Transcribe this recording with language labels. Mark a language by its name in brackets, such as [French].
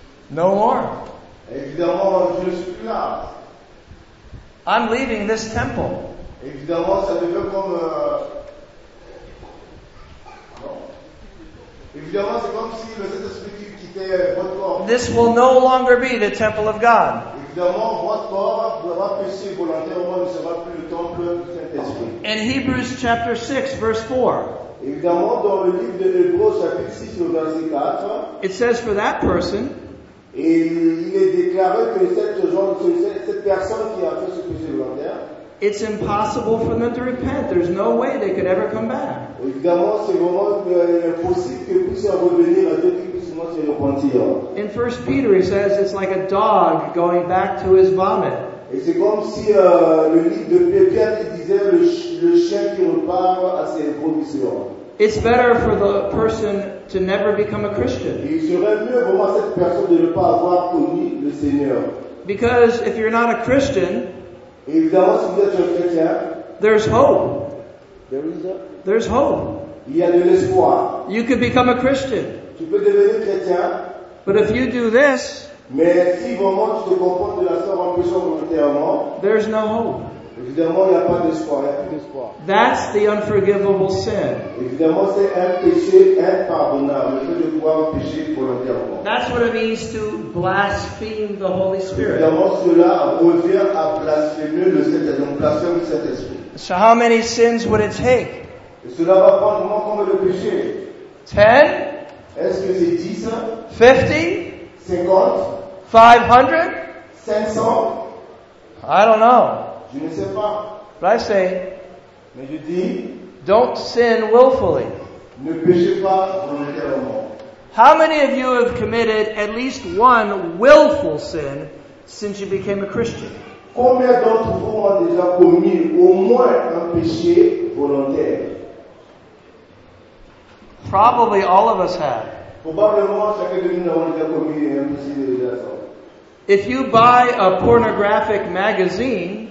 [English] no more. [French] Évidemment, je ne suis plus là. [English] I'm leaving this temple. [French] Évidemment, ça devient comme évidemment, c'est comme si le Saint-Esprit quittait votre corps. [English] This will no longer be the temple of God. [French] Évidemment, votre corps pourra pécher volontairement, ne sera plus le temple du Saint-Esprit. [English] In Hebrews chapter 6, verse 4. [French] Évidemment, dans le livre de Hébreux, chapitre 6, verset 4. [English] It says for that person. [French] Et il est déclaré que cette personne qui a fait ce péché volontaire. [English] It's impossible for them to repent. There's no way they could ever come back. [French] Évidemment, c'est vraiment impossible qu'ils puissent revenir à Dieu, qu'ils puissent se repentir. [English] In 1 Peter, he says it's like a dog going back to his vomit. [French] Et c'est comme si le livre de Pierre disait le chien qui repart à ses vomissures. [English] It's better for the person to never become a Christian. [French] Il serait mieux vraiment cette personne de ne pas avoir connu le Seigneur. [English] Because if you're not a Christian, [French] évidemment, si vous êtes un chrétien, [English] there's hope. There is hope. [French] Il y a de l'espoir. [English] You could become a Christian. [French] Tu peux devenir chrétien. [English] But if you do this, [French] mais si vraiment tu te comportes de la sorte en péchant volontairement, [English] there's no hope. [French] Évidemment, il n'y a pas d'espoir. Il n'y a plus d'espoir. [English] That's the unforgivable sin. [French] Évidemment, c'est un péché impardonnable. Le fait de pouvoir pécher volontairement. [English] That's what it means to blaspheme the Holy Spirit. [French] Évidemment, cela revient à blasphémer le Saint-Esprit. Blasphémer le Saint-Esprit. [English] So how many sins would it take? [French] Et cela va prendre vraiment combien de péchés? [English] 10? [French] Est-ce que c'est 10? [English] 50? [French] 50? [English] 500? [French] 500? [English] I don't know. [French] Je ne sais pas. [English] But I say, [French] mais je dis, [English] don't sin willfully. [French] Ne péchez pas volontairement. [English] How many of you have committed at least one willful sin since you became a Christian? [French] Combien d'entre vous ont déjà commis au moins un péché volontaire? [English] Probably all of us have. [French] Probablement chacun de nous a déjà commis un péché déjà. [English] If you buy a pornographic magazine,